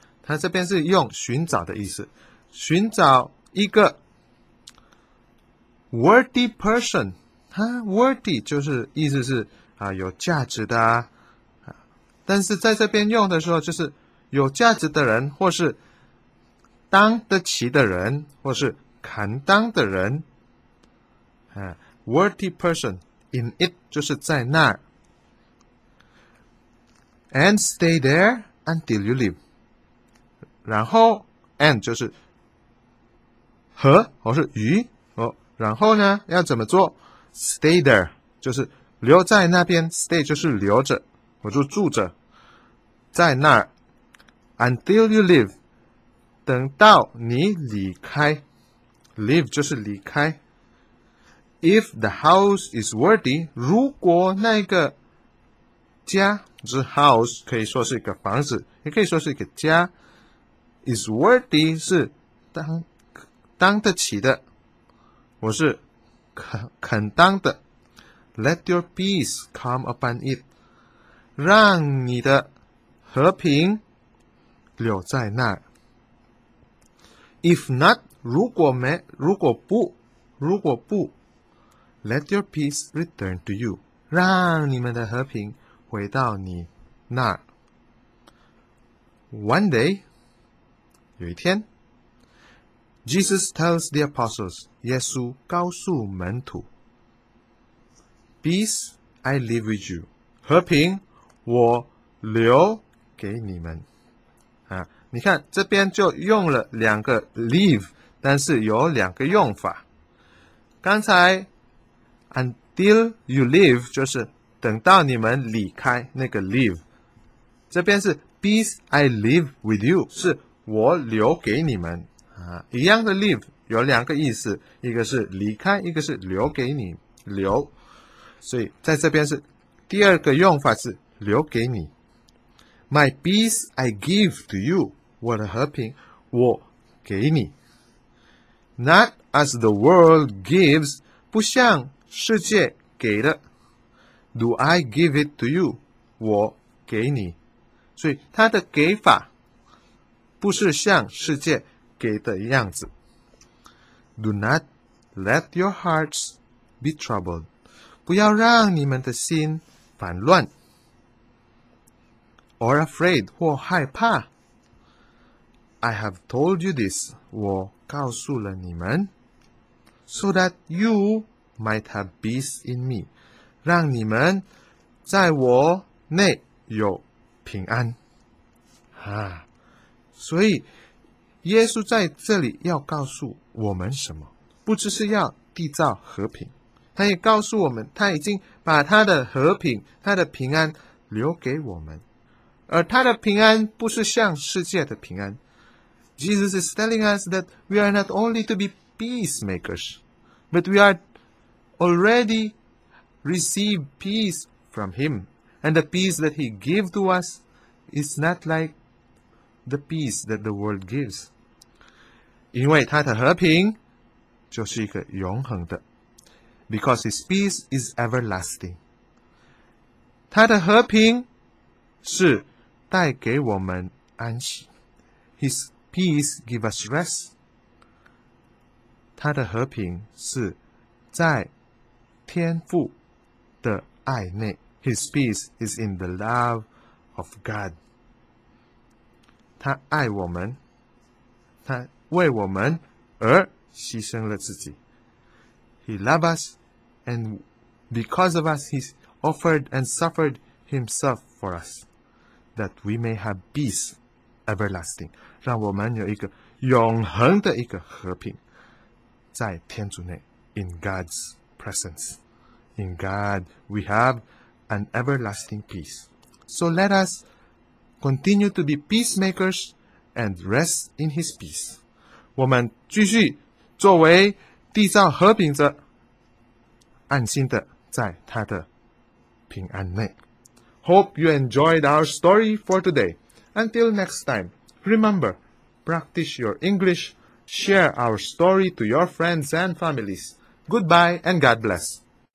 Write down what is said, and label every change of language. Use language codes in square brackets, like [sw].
[zh] 它这边是用寻找的意思，寻找一个 worthy person。它 worthy 就是意思是啊有价值的啊，但是在这边用的时候就是有价值的人，或是当得起的人，或是堪当的人。 [en] 啊 ，worthy person in it [zh] 就是在那儿。 [en] And stay there until you leave。 [zh] 然后 and 就是和或是与哦，然后呢要怎么做？ [en] Stay there [zh] 就是留在那边， stay 就是留着，我就住着在那儿。 [en] Until you leave [zh] 等到你离开， leave 就是离开。 [en] If the house is worthy， [zh] 如果那个家，这 house 可以说是一个房子，也可以说是一个家， [en] is worthy [zh] 是 当得起的，我是肯当的。 [en] Let your peace come upon it， [zh] 让你的和平留在那儿。 [en] If not， [zh] 如果没，如果不 [en] Let your peace return to you， [zh] 让你们的和平回到你那儿。 [en] One day， [zh] 有一天， [en] Jesus tells the apostles， [zh] 耶稣告诉门徒， [en] Peace I leave with you， [zh] 和平我留给你们。啊，你看这边就用了两个 leave， 但是有两个用法。刚才 [en] until you leave [zh] 就是等到你们离开那个 leave， 这边是 [en] Peace I leave with you， [zh] 是我留给你们。啊，一样的 leave 有两个意思，一个是离开，一个是留给你留，所以在这边是第二个用法是留给你。 [en] My peace I give to you， [zh] 我的和平我给你。 [en] Not as the world gives， [zh] 不像世界给的。 [en] Do I give it to you， [zh] 我给你。所以它的给法不是像世界给的样子。 [en] Do not let your hearts be troubled， [zh] 不要让你们的心烦乱。 [en] Or afraid， [zh] 或害怕。 [en] I have told you this， [zh] 我告诉了你们。 [en] So that you might have peace in me， [zh] 让你们在我内有平安。啊，所以耶稣在这里要告诉我们什么？不只是要缔造和平，他也告诉我们，他已经把他的和平，他的平安留给我们。而他的平安不是像世界的平安。 [en] Jesus is telling us that we are not only to be peacemakers， but we are already received peace from him， and the peace that he gave to us is not like the peace that the world gives。 [zh] 因为他的和平就是一个永恒的。 [en] Because his peace is everlasting， [zh] 他的和平是带给我们安息。 [en] His peace gives us rest， [zh] 他的和平是在天父的爱内。 [en] His peace is in the love of God， [zh] 他爱我们，他为我们而牺牲了自己。 [en] He loved us， and because of us he offered and suffered himself for us， that we may have peace everlasting， [zh] 让我们有一个永恒的一个和平在天主内。 [en] In God's presence， in God we have an everlasting peace。 So let us continue to be peacemakers and rest in his peace。 [zh] 我们继续作为缔造和平者，安心的在他的平安内。 [en] Hope you enjoyed our story for today. Until next time, remember, practice your English, share our story to your friends and families. Goodbye and God bless.